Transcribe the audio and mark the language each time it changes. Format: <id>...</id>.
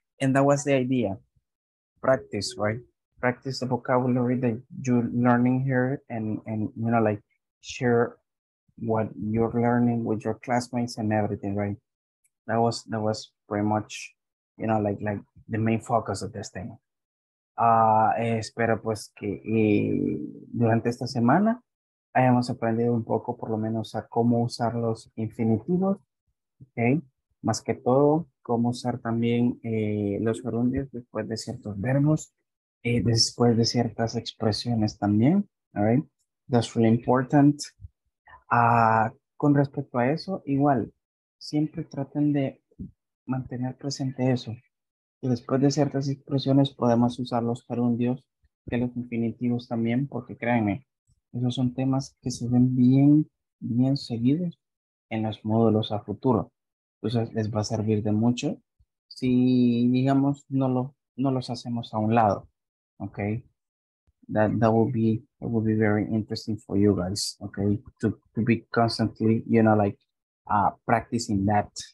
<en>And that was the idea, practice, right? Practice the vocabulary that you're learning here and you know, like share what you're learning with your classmates and everything, right? That was pretty much, you know, like the main focus of this thing.</en> <es>Espero pues que durante esta semana hayamos aprendido un poco por lo menos a cómo usar los infinitivos, okay? Más que todo, cómo usar también los gerundios después de ciertos verbos, después de ciertas expresiones también,</es> <en>all right? That's really important.</en> <es>Con respecto a eso, igual, siempre traten de mantener presente eso. Y después de ciertas expresiones podemos usar los gerundios de los infinitivos también, porque créanme, esos son temas que se ven bien, bien seguidos en los módulos a futuro. Entonces les va a servir de mucho si, digamos, no los hacemos a un lado, okay?</es> <en>That will be very interesting for you guys, okay? To be constantly, you know, like practicing that.</en>